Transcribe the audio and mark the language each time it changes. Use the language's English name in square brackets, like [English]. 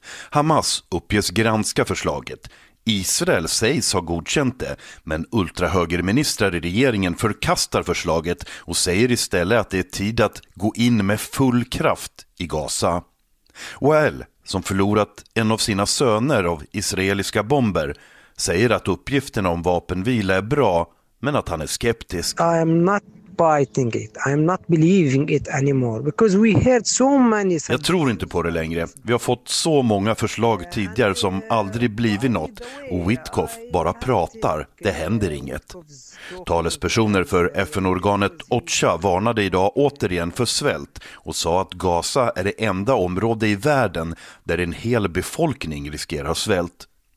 [Swedish] Hamas uppges granska förslaget. Israel sägs ha godkänt det, men ultrahögerministrar i regeringen förkastar förslaget och säger istället att det är tid att gå in med full kraft i Gaza. Well, som förlorat en av sina söner av israeliska bomber, säger att uppgifterna om vapenvila är bra, men att han är skeptisk. [English] I am not biting it. I am not believing it anymore because we heard so many. [Swedish] Jag tror inte på det längre. Vi har fått så många förslag tidigare som aldrig blivit något, och Witkoff bara pratar. Det händer inget. Talespersoner för FN-organet OCHA varnade idag återigen för svält och sa att Gaza är det enda område i världen där en hel befolkning riskerar svält.